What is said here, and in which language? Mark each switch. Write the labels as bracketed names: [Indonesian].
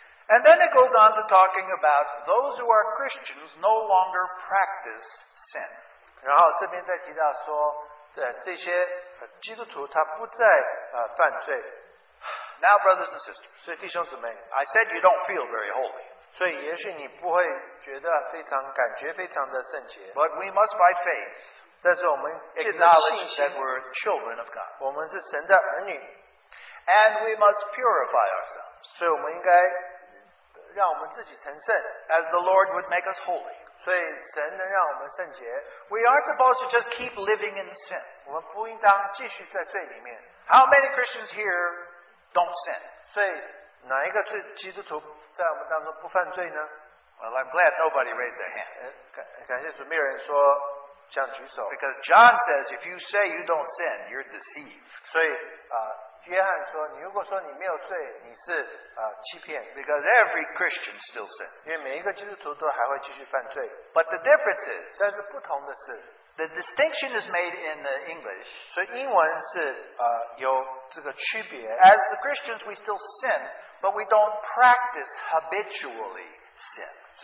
[English] And then it goes on to talking about those who are Christians no longer practice sin. [Chinese] 然后这边再提到说，这些基督徒他不再犯罪。 [English] Now, brothers and sisters, [Chinese] 所以弟兄姊妹, [English] I said you don't feel very holy. [Chinese] 所以也许你不会觉得非常感觉非常的圣洁。 [English] But we must by faith. [Chinese] 但是我们 [English] acknowledge that we're children of God. [Chinese] 我们是神的儿女, [English] and we must purify ourselves. [Chinese] 所以我们应该让我们自己成圣, [English] as the Lord would make us holy. [Chinese] 所以神能让我们圣洁, [English] we aren't supposed to just keep living in sin. [Chinese] 我们不应当继续在罪里面。 [English] How many Christians here don't sin? [Chinese] 所以哪一个基督徒在我们当中不犯罪呢? [English] Well, I'm glad nobody raised their hand. [Chinese] 感谢主，没有人说。 [English] Because John says, if you say you don't sin, you're deceived. [Chinese] 所以约翰说，你如果说你没有罪，你是欺骗。 [English] Because every Christian still sins. [Chinese] 因为每一个基督徒都还会继续犯罪。 [English] But the difference is, [Chinese] 但是不同的是, [English] the distinction is made in the English. [Chinese] 所以英文是有这个区别。 [English] As the Christians, we still sin, but we don't practice habitually sin.